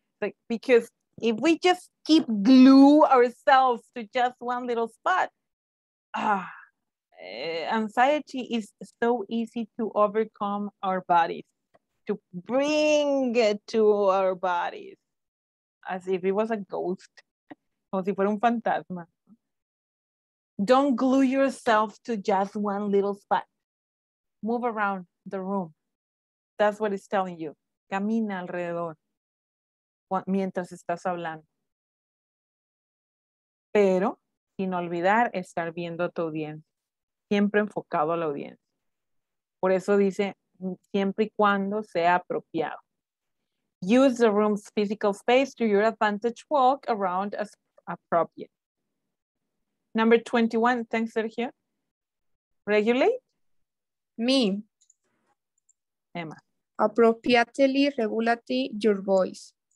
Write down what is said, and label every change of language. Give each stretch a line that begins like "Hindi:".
English: Like, because if we just keep glue ourselves to just one little spot, anxiety is so easy to overcome our bodies, to bring it to our bodies, as if it was a ghost,
Spanish: como si fuera un fantasma.
English: Don't glue yourself to just one little spot. Move around the room. That's what it's telling you.
Spanish: Camina alrededor. mientras estás hablando. Pero sin olvidar estar viendo a tu audiencia, siempre enfocado a la audiencia. Por eso dice, siempre y cuando sea apropiado.
English: Use the room's physical space to your advantage, walk around as appropriate. Number 21, thanks Sergio. Regulate? Me. Emma. Appropriately regulate your voice.